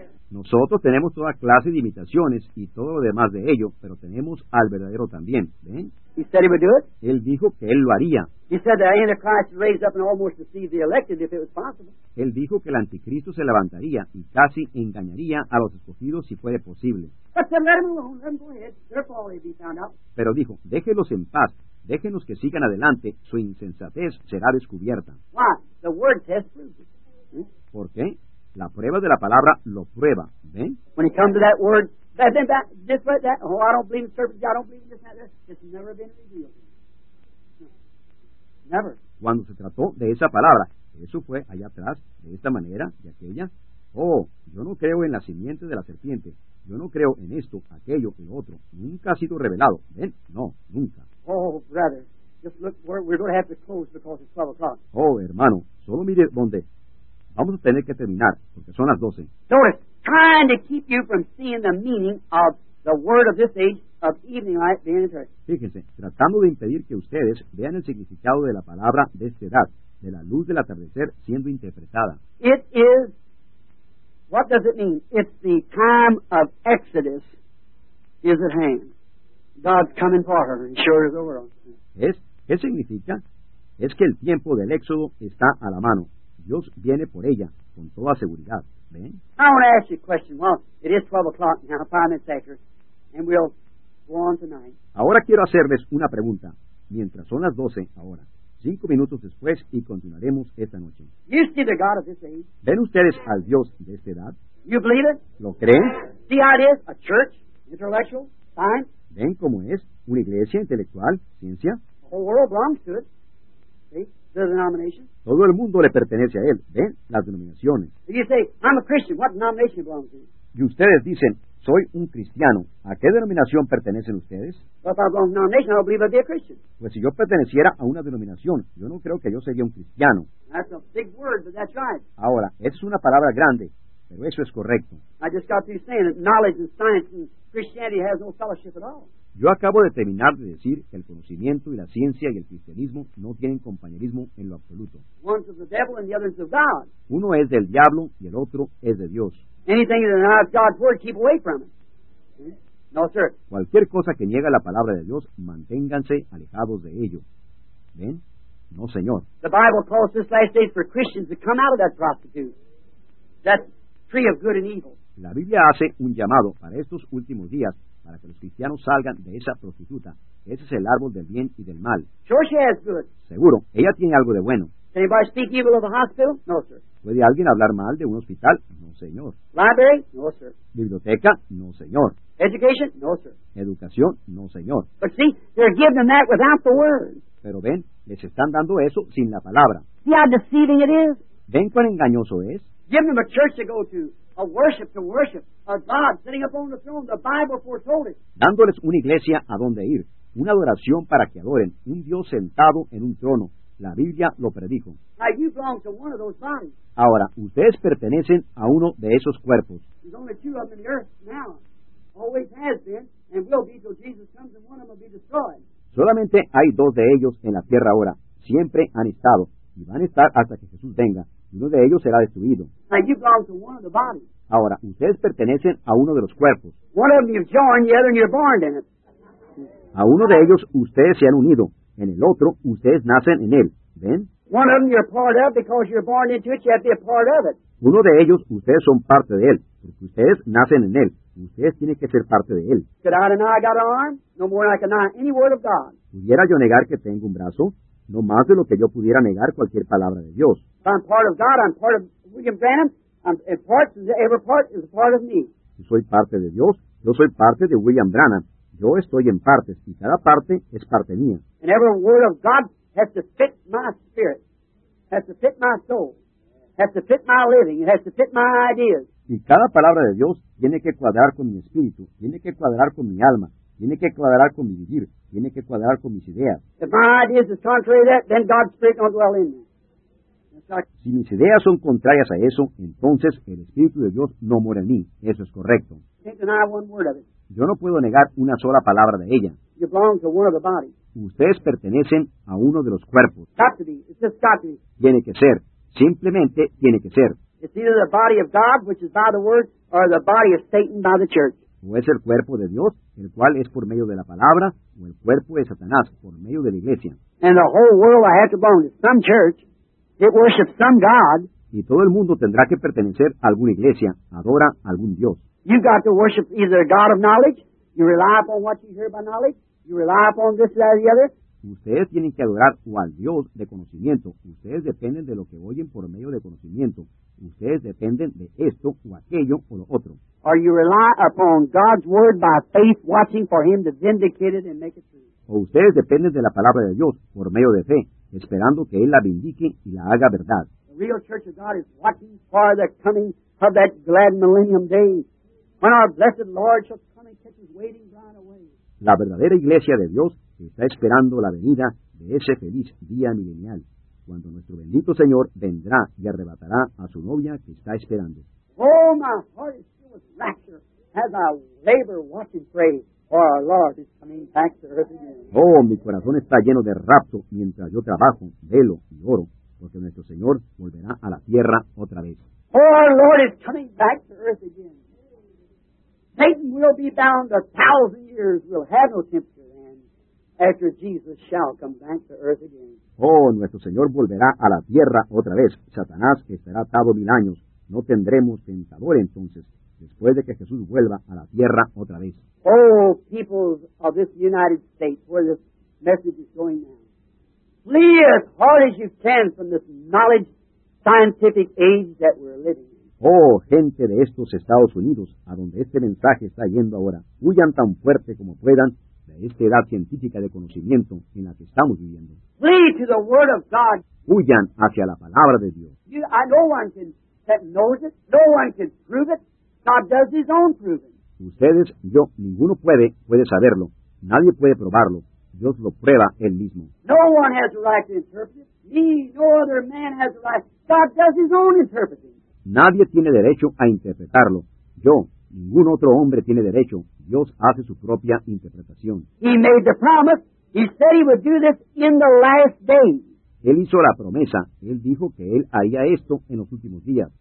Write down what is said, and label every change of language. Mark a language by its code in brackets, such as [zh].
[es] Nosotros tenemos toda clase de imitaciones y todo lo demás de ello, pero tenemos al verdadero también, ¿ven? [en] He said he would do it. [es] Él dijo que él lo haría. [en] He said the Antichrist would raise up and almost deceive the elected if it was possible. [es] Él dijo que el anticristo se levantaría y casi engañaría a los escogidos si fuera posible. [en] But then let him alone, let him go ahead, therefore he'll be found out. [es] Pero dijo, déjelos en paz. Déjenos que sigan adelante, su insensatez será descubierta. [en] Why? The word test proves it. [es] ¿Por qué? La prueba de la palabra lo prueba, ¿ven? [en] When you come to that word, I don't believe in serpents, I don't believe in this, that, it's never been revealed. Never. [es] Cuando se trató de esa palabra, eso fue allá atrás, de esta manera, de aquella. Oh, yo no creo en la simiente de la serpiente. Yo no creo en esto, aquello, lo otro. Nunca ha sido revelado, ¿ven? No, nunca. [en] Oh, brother, just look, we're going to have to close because it's 12 o'clock. [es] Oh, hermano, solo mire donde. Vamos a tener que terminar, porque son las 12. [en] Notice, trying to keep you from seeing the meaning of the word of this age of evening light being interpreted. [es] Fíjense, tratando de impedir que ustedes vean el significado de la palabra de esta edad, de la luz del atardecer siendo interpretada. [en] It is, what does it mean? It's the time of Exodus is at hand. God's coming for her, and sure as the world. [es] ¿Es? ¿Qué significa? Es que el tiempo del éxodo está a la mano. Dios viene por ella, con toda seguridad. ¿Ven? [en] I want to ask you a question. Well, it is 12 o'clock now, 5 minutes later, and we'll go on tonight. [es] Ahora quiero hacerles una pregunta. Mientras son las 12 ahora, 5 minutos después, y continuaremos esta noche. [en] You see the God of this age? [es] ¿Ven ustedes al Dios de esta edad? [en] You believe it? [es] ¿Lo creen? [en] See how it is? A church? Intellectual? Fine? [es] ¿Ven cómo es? ¿Una iglesia intelectual? ¿Ciencia? [en] The whole world belongs to it. See? The denomination. [es] Todo el mundo le pertenece a él. ¿Ven? Las denominaciones. [en] If you say, I'm a Christian, what denomination belongs to you? [es] Y ustedes dicen, soy un cristiano. ¿A qué denominación pertenecen ustedes? [en] Well, if I belong to a denomination, I don't believe I'd be a Christian. [es] Pues si yo perteneciera a una denominación, yo no creo que yo sería un cristiano. [en] That's a big word, but that's right. [es] Ahora, esa es una palabra grande, pero eso es correcto. [en] I just got through saying that knowledge and science and Christianity has no fellowship at all. [es] Yo acabo de terminar de decir que el conocimiento y la ciencia y el cristianismo no tienen compañerismo en lo absoluto. [en] One's of the devil and the other's of God. [es] Uno es del diablo y el otro es de Dios. [en] Anything that denies God's word, keep away from it. No, sir. [es] Cualquier cosa que niega la palabra de Dios, manténganse alejados de ello. ¿Ven? No, señor. [en] The Bible calls this last day for Christians to come out of that prostitute. That tree of good and evil. [es] La Biblia hace un llamado para estos últimos días para que los cristianos salgan de esa prostituta. Ese es el árbol del bien y del mal. [en] Sure she has good. [es] Seguro, ella tiene algo de bueno. [en] Can anybody speak evil of a hospital? No, sir. [es] ¿Puede alguien hablar mal de un hospital? No, señor. [en] Library? No, sir. [es] ¿Biblioteca? No, señor. [en] Education? No, sir. [es] ¿Educación? No, señor. [en] But see, they're giving them that without the word. [es] Pero ven, les están dando eso sin la palabra. [en] See how deceiving it is? [es] ¿Ven cuán engañoso es? [en] Give them a church to go to. A worship to worship. A God sitting up on the throne. The Bible foretold it. [es] Dándoles una iglesia a donde ir. Una adoración para que adoren. Un Dios sentado en un trono. La Biblia lo predijo. [en] Now you belong to one of those bodies. [es] Ahora, ustedes pertenecen a uno de esos cuerpos. [en] There's only two of them in the earth now. Always has been, and will be till Jesus comes and one of them will be destroyed. [es] Solamente hay dos de ellos en la tierra ahora. Siempre han estado, y van a estar hasta que Jesús venga. Uno de ellos será destruido. [en] Now you belong to one of the bodies. [es] Ahora, ustedes pertenecen a uno de los cuerpos. [en] One of them you've joined, the other you're born in it. [es] A uno de ellos ustedes se han unido. En el otro, ustedes nacen en él. ¿Ven? [en] One of them you're part of because you're born into it, you have to be a part of it. [es] Uno de ellos, ustedes son parte de él. Porque ustedes nacen en él. Ustedes tienen que ser parte de él. [en] Could I deny I got an arm? No more than I can deny any word of God. [es] ¿Pudiera yo negar que tengo un brazo? No más de lo que yo pudiera negar cualquier palabra de Dios. [en] If I'm part of God, I'm part of William Branham. And part, every part is a part of me. [es] Yo soy parte de Dios. Yo soy parte de William Branham. Yo estoy en partes, y cada parte es parte mía. [en] And every word of God has to fit my spirit, has to fit my soul, has to fit my living, it has to fit my ideas. [es] Y cada palabra de Dios tiene que cuadrar con mi espíritu, tiene que cuadrar con mi alma, tiene que cuadrar con mi vivir, tiene que cuadrar con mis ideas. [en] If my ideas are contrary to that, then God's spirit don't dwell in me. [es] Si mis ideas son contrarias a eso, entonces el Espíritu de Dios no mora en mí. Eso es correcto. [en] Can't deny one word of it. [es] Yo no puedo negar una sola palabra de ella. [en] You belong to one of the bodies. [es] Ustedes pertenecen a uno de los cuerpos. [en] It's got to be. It's just got to be. [es] Tiene que ser. Simplemente tiene que ser. [en] It's either the body of God, which is by the word, or the body of Satan by the church. [es] O es el cuerpo de Dios, el cual es por medio de la palabra, o el cuerpo de Satanás, por medio de la iglesia. [en] And the whole world I have to belong to some church. It worships some god. [es] Y todo el mundo tendrá que pertenecer a alguna iglesia, adora algún dios. [en] You got to worship either a god of knowledge, you rely upon what you hear by knowledge, you rely upon this, that, or the other. [es] Ustedes tienen que adorar o al dios de conocimiento. Ustedes dependen de lo que oyen por medio de conocimiento. Ustedes dependen de esto o aquello o lo otro. [en] Or you rely upon God's word by faith, watching for him to vindicate it and make it true. [es] O ustedes dependen de la palabra de Dios por medio de fe, esperando que Él la vindique y la haga verdad. [en] The real church of God is watching for the coming of that glad millennium day when our blessed Lord shall come and catch his waiting bride away. [es] La verdadera iglesia de Dios está esperando la venida de ese feliz día milenial cuando nuestro bendito Señor vendrá y arrebatará a su novia que está esperando. [en] Oh, my heart is filled with rapture as I labor watching praise. Our Lord is coming back to earth again. [es] Oh, mi corazón está lleno de rapto mientras yo trabajo, velo y oro, porque nuestro Señor volverá a la tierra otra vez. [en] Oh, our Lord is coming back to earth again. Satan will be bound 1,000 years, will have no temporary land after Jesus shall come back to earth again. [es] Oh, nuestro Señor volverá a la tierra otra vez. Satanás estará atado 1,000 años. No tendremos tentador entonces, después de que Jesús vuelva a la tierra otra vez. [en] Oh, peoples of this United States, where this message is going now, flee as hard as you can from this knowledge scientific age that we're living in. [es] Oh, gente de estos Estados Unidos, a donde este mensaje está yendo ahora, huyan tan fuerte como puedan de esta edad científica de conocimiento en la que estamos viviendo. [en] Flee to the Word of God. [es] Huyan hacia la palabra de Dios. [en] No one can that knows it. No one can prove it. God does his own proving. [es] Ustedes, yo, ninguno puede saberlo. Nadie puede probarlo. Dios lo prueba él mismo. [en] No one has the right to interpret it. Me, no other man has the right. God does his own interpreting. [es] Nadie tiene derecho a interpretarlo. Yo, ningún otro hombre tiene derecho. Dios hace su propia interpretación. [en] He made the promise. He said he would do this in the last days. [es] Él hizo la promesa. Él dijo que él haría esto en los últimos días.